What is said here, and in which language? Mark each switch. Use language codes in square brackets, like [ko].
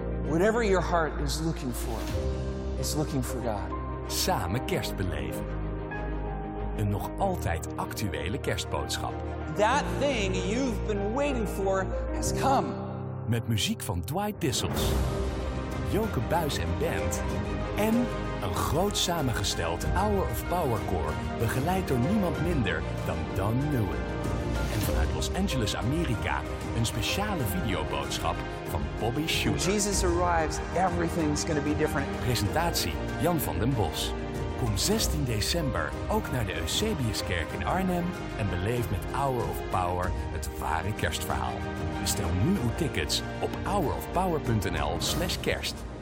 [en] Whatever your heart is looking for, it's looking for God. [nl] Samen kerstbeleven. Een nog altijd actuele kerstboodschap. [en] That thing you've been waiting for has come. [nl] Met muziek van Dwight Dissels, Joke Buijs en band. En een groot samengesteld Hour of Power Core, begeleid door niemand minder dan Don Newen. En vanuit Los Angeles, Amerika, een speciale videoboodschap van Bobby Schuller. [en] When Jesus arrives, everything's going to be different. [nl] Presentatie, Jan van den Bos. Kom 16 december ook naar de Eusebiuskerk in Arnhem en beleef met Hour of Power het ware kerstverhaal. Bestel nu uw tickets op hourofpower.nl/kerst.